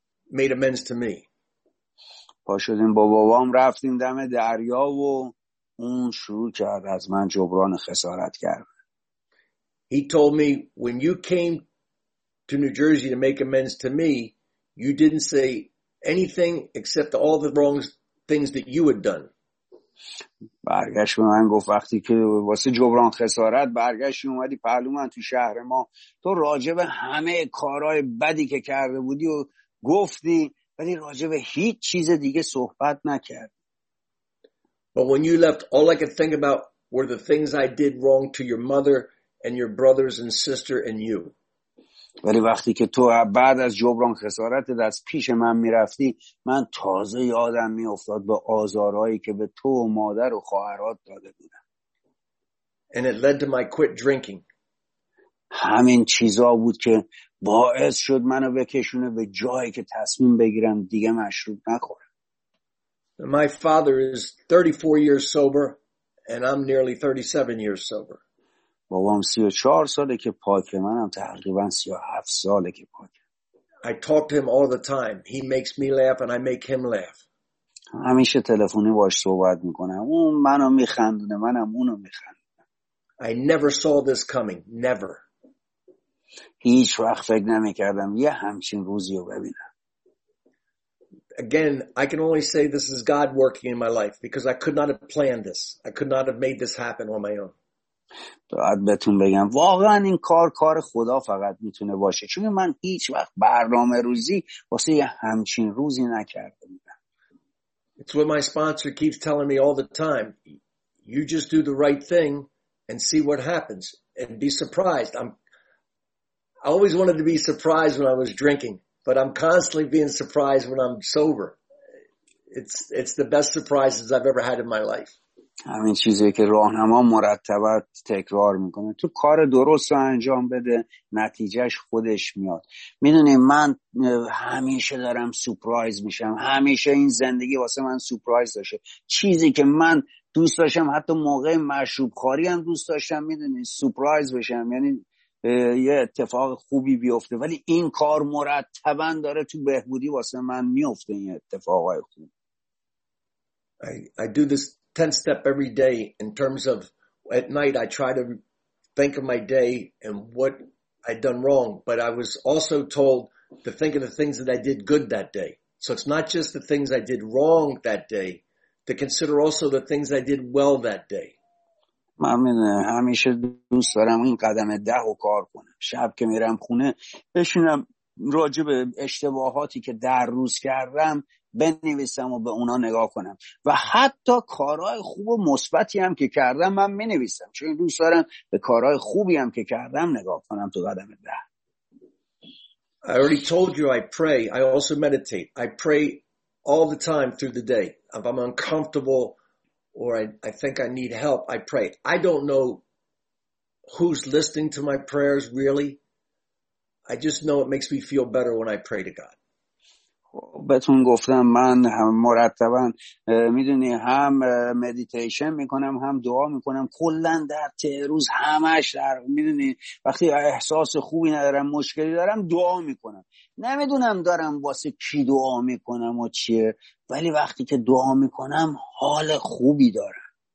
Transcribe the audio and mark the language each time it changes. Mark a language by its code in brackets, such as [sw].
[en] made amends to me. [fa] پا شدیم با بابام رفتیم دم دریا و اون شروع کرد از من جبران خسارت کرد. [en] He told me when you came to New Jersey to make amends to me, you didn't say anything except all the wrong things that you had done. [fa] برگشت به من گفت وقتی که واسه جبران خسارت برگشتی اومدی پهلو من تو شهر ما، تو راجع به همه کارهای بدی که کرده بودی و گفتی، ولی راجع به هیچ چیز دیگه صحبت نکرد. [en] But when you left, all I could think about were the things I did wrong to your mother and your brothers and sister and you. [fa] ولی وقتی که تو بعد از جبران خسارتت از پیش من میرفتی، من تازه یادم میافتاد به آزارهایی که به تو و مادر و خواهرات داده بودم. [en] And it led to my quit drinking. [fa] همین چیزا بود که باعث شد منو بکشونه به جایی که تصمیم بگیرم دیگه مشروب نخورم. [en] My father is 34 years sober and I'm nearly 37 years sober. [fa] بابام 34 ساله که پاکه، منم تقریبا 37 ساله که پاکه. [en] I talk to him all the time. He makes me laugh and I make him laugh. [fa] همیشه تلفنی باش صحبت میکنم. اون منو میخندونه، منم اونو میخندونم. [en] I never saw this coming. Never. [fa] هیچ وقت فکر نمیکردم یه همچین روزی رو ببینم. [en] Again, I can only say this is God working in my life because I could not have planned this. I could not have made this happen on my own. [fa] باید بهتون بگم واقعا این کار خدا فقط میتونه باشه، چون من هیچ وقت برنامه روزی واسه یه همچین روزی نکرده بودم. [en] It's what my sponsor keeps telling me all the time. You just do the right thing and see what happens and be surprised. I always wanted to be surprised when I was drinking, but I'm constantly being surprised when I'm sober. It's the best surprises I've ever had in my life. [fa] همین چیزی که راهنما مرتبا تکرار میکنه، تو کار درست رو انجام بده، نتیجهش خودش میاد. میدونی من همیشه دارم سورپرایز میشم، همیشه این زندگی واسه من سورپرایز داشته. چیزی که من دوست داشتم، حتی موقع مشروب خوری هم دوست داشتم، میدونی، سورپرایز بشم، یعنی یه اتفاق خوبی بیفته. ولی این کار مرتبا داره تو بهبودی واسه من میفته، این اتفاقای خوب. [en] I do this 10 step every day in terms of at night I try to think of my day and what I'd done wrong, but I was also told to think of the things that I did good that day. So it's not just the things I did wrong that day, to consider also the things I did well that day. [fa] من همیشه دوست دارم این قدم 10 رو کار کنم. شب که میرم خونه بشینم راجع به اشتباهاتی که در روز کردم بنویسم و به اونا نگاه کنم، و حتی کارهای خوب و مثبتی هم که کردم من بنویسم، چون دوست دارم به کارهای خوبی هم که کردم نگاه کنم تو قدم 10. [en] I already told you I pray. I also meditate. I pray all the time through the day. If I'm uncomfortable or I think I need help, I pray. I don't know who's listening to my prayers really. I just know it makes me feel better when I pray to God. [fa] بهتون گفتم من هم مرتبا میدونی هم مدیتیشن میکنم هم دعا میکنم، کلن در روز همش در میدونی وقتی احساس خوبی ندارم، مشکلی دارم، دعا میکنم. نمیدونم دارم واسه کی دعا میکنم و چیه، ولی وقتی که دعا میکنم حال خوبی دارم.